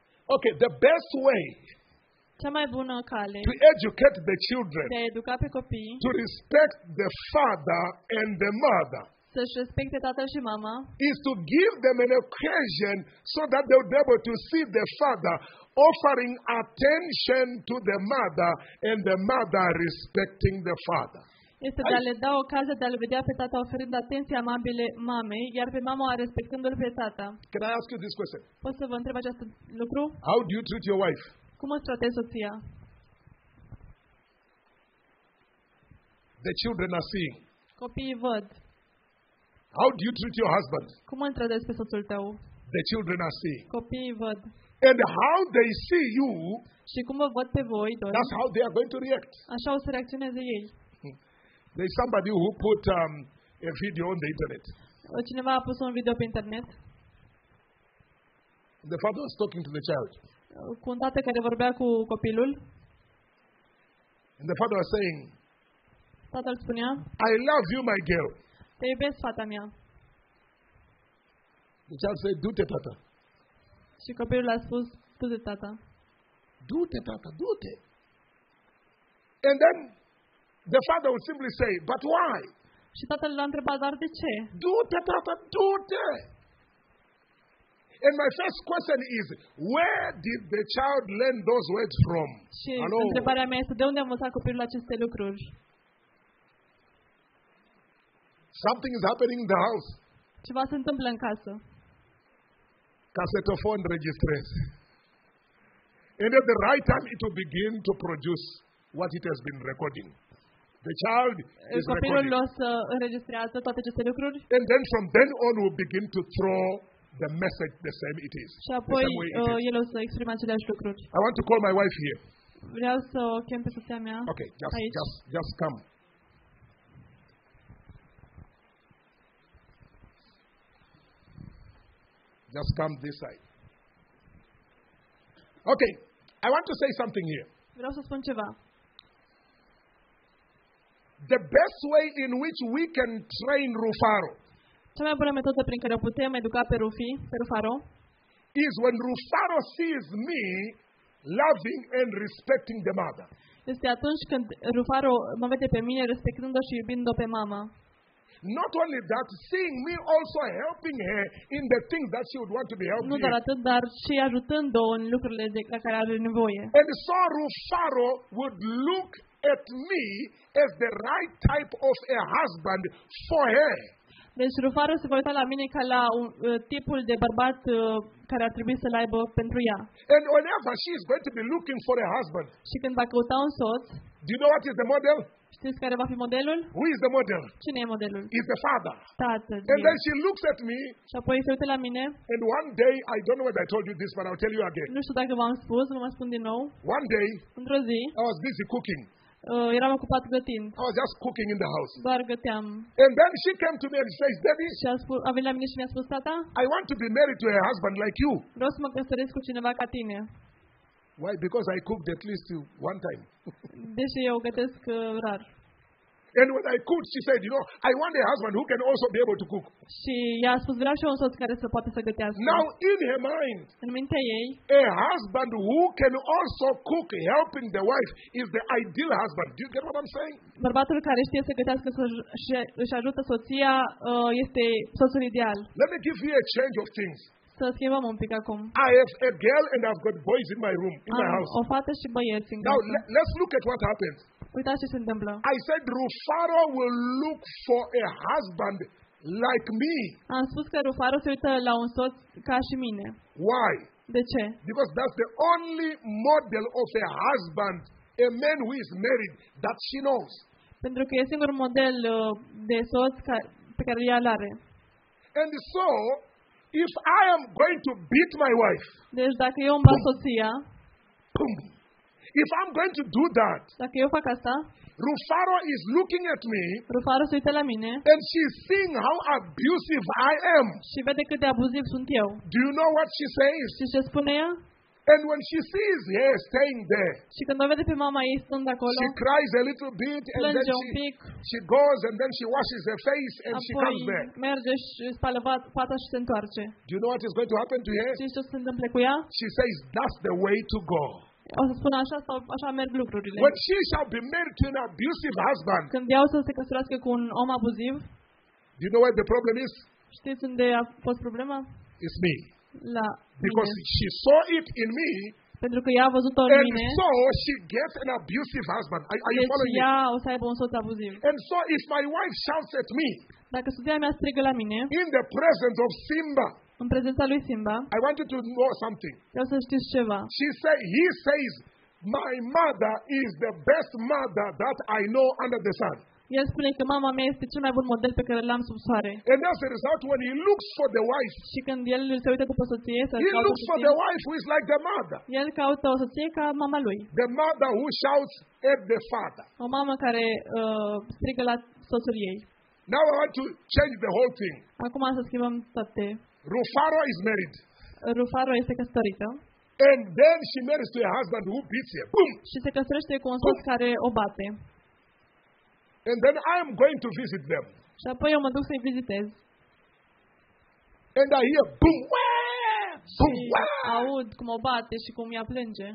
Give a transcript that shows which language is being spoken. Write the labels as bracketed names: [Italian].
[English] Okay, the best way. [Romanian] Cea mai bună cale [English] to educate the children, [Romanian] de a educa pe copii, [English] to respect the father and the mother, [Romanian] să-și respecte tatăl și mama, [English] is to give them an occasion so that they'll be able to see the father offering attention to the mother and the mother respecting the father. [Romanian] Este de a le da ocazia de a-l vedea pe tata oferind atenție amabile mamei, iar pe mama respectându-l pe tata. [English] Can I ask you this question? [Romanian] Pot să vă întreb acest lucru? [English] How do you treat your wife? [Romanian] Cum îți tratezi soția? [English] The children are seeing. [Romanian] Copiii văd. [English] How do you treat your husband? [Romanian] Cum îl tratezi pe soțul tău? [English] The children are seeing. [Romanian] Copiii văd. [English] And how they see you? [Romanian] Și cum vă văd pe voi, doi? [English] That's how they are going to react. [Romanian] Așa o să reacționeze ei. [English] There's somebody who put a video on the internet. [Romanian] Cineva a pus un video pe internet. [English] The father was talking to the child. [Romanian] Cu un tată care vorbea cu copilul. [English] And the father was saying. [Romanian] Tatăl spunea. [English] I love you, my girl. [Romanian] Te iubesc, fata mea. [English] The child said, [Romanian] du-te, tata. Și copilul a spus, du-te, tata. Du-te, tata, du-te. [English] And then the father would simply say, but why? [Romanian] Și tatăl l-a întrebat, dar de ce? Du-te, tata, du-te. [English] And my first question is, where did the child learn those words from? [Romanian] Și întrebarea mea este, de unde a învățat copilul aceste lucruri? [English] Something is happening in the house. [Romanian] Ceva se întâmplă în casă. Casetofon registrează. [English] And at the right time it will begin to produce what it has been recording. The child is [Romanian] copilul recording. Copilul o să înregistrează toate aceste lucruri. [English] And then from then on will begin to throw the message the same it is. [Romanian] Și apoi el o să exprime aceleași lucruri. [English] I want to call my wife here. [Romanian] Vreau să o chem pe soția mea. [English] Okay, just come. Just come this side. Okay, I want to say something here. [Romanian] Vreau să spun ceva. [English] The best way in which we can train Rufaro. [Romanian] Cea mai bună metodă prin care o putem educa pe Rufi, pe Rufaro, [English] is when Rufaro sees me loving and respecting the mother. [Romanian] Este atunci când Rufaro mă vede pe mine respectându-o și iubindu-o pe mama. [English] Not only that, seeing me also helping her in the things that she would want to be helped. [Romanian] Nu doar atât, dar și ajutându-o în lucrurile de care are nevoie. [English] And so Rufaro would look at me as the right type of a husband for her. [Romanian] Deci Rufaro se va uita la mine ca la tipul de bărbat care ar trebui să-l aibă pentru ea. [English] And whenever she is going to be looking for a husband. [Romanian] Și când va căuta un soț. [English] Do you know what is the model? [Romanian] Știți care va fi modelul? [English] Who is the model? [Romanian] Cine e modelul? [English] Is the father. [Romanian] Tatăl. [English] And then she looks at me. [Romanian] Și apoi se uită la mine. [English] And one day, I don't know whether I told you this, but I'll tell you again. [Romanian] Nu știu dacă v-am spus, nu mă spun din nou. [English] One day. [Romanian] Într-o zi. [English] I was busy cooking. [Romanian] Eram ocupat gătind. [English] I was just cooking in the house. [Romanian] Doar găteam. [English] And then she came to me and says, Debbie. [Romanian] Și a venit la mine și mi-a spus, tata. [English] I want to be married to a husband like you. [Romanian] Vreau să mă căsătoresc cu cineva ca tine. [English] Why? Because I cooked at least one time. [Romanian] Deși eu gătesc rar. [English] And when I cooked, she said, you know, I want a husband who can also be able to cook. [Romanian] Și ea a spus, vreau și un soț care să poată să gătească. [English] Now, in her mind, [Romanian] în mintea ei, [English] a husband who can also cook helping the wife is the ideal husband. Do you get what I'm saying? [Romanian] Bărbatul care știe să gătească și își ajută soția este soțul ideal. [English] Let me give you a change of things. [Romanian] Să schimbăm un pic acum. [English] I have a girl and I've got boys in my room, in my house. [Romanian] O fată și băieți în [English] casă. Now, let's look at what happens. [Romanian] Uitați ce se întâmplă. [English] I said Rufaro will look for a husband like me. [Romanian] Am spus că Rufaro se uită la un soț ca și mine. [English] Why? [Romanian] De ce? [English] Because that's the only model of a husband, a man who is married, that she knows. [Romanian] Pentru că e singurul model de soț pe care ea l-are. [English] And so, if I am going to beat my wife. [Romanian] Deci dacă eu îmi bat soția. [English] Boom. If I'm going to do that. [Romanian] Dacă eu fac asta. [English] Rufaro is looking at me. [Romanian] Rufaro se uită la mine. [English] And she's seeing how abusive I am. [Romanian] Și vede cât de abuziv sunt eu. [English] Do you know what she says? [Romanian] Și ce spune ea? [English] And when she sees her staying there. [Romanian] Și când o vede pe mama ei stând acolo. [English] She cries a little bit and then she goes and then she washes her face and she comes there. [Romanian] Apoi merge și spală fața și se întoarce. [English] Do you know what is going to happen to her? [Romanian] Și ce se întâmplă cu ea? [English] She says that's the way to go. [Romanian] O să spună așa sau așa merg lucrurile. [English] When she shall be married to an abusive husband. [Romanian] Când ea o să se căsătorească cu un om abuziv. [English] Do you know what the problem is? [Romanian] Știți unde a fost problema? [English] It's me. [Romanian] La [English] because [Romanian] mine. [English] She saw it in me. [Romanian] Pentru că ea a văzut-o în mine. [English] And so she gets an abusive husband. Are [Romanian] deci [English] you following [Romanian] ea [English] me? [Romanian] O să aibă un soț abuziv. [English] And so if my wife shouts at me. [Romanian] Dacă soția mea strigă la mine. [English] In the presence of Simba. [Romanian] În prezența lui Simba. [English] I want you to know something. [Romanian] Vreau să știți ceva. [English] She say, he says, my mother is the best mother that I know under the sun. [Romanian] El spune că mama mea este cel mai bun model pe care l-am sub soare. [English] And as a result, when he looks for the wife, [Romanian] și când el se uită după soție, [English] he looks for the wife who is like the mother. [Romanian] El caută o soție ca mama lui. [English] The mother who shouts at the father. [Romanian] O mamă care strigă la soțul ei. [English] Now I want to change the whole thing. [Romanian] Acum să schimbăm toate. [English] Rufaro is married. [Romanian] Rufaro este căsătorită. [English] And then she marries to a husband who beats her. Boom. [Romanian] Și se căsătorește cu un soț care o bate. [English] And then I am going to visit them. [Romanian] Și apoi eu mă duc să-i vizitez. [English] And I hear boom, wah, boom, wah. [Romanian] Aud cum o bate și cum ea plânge.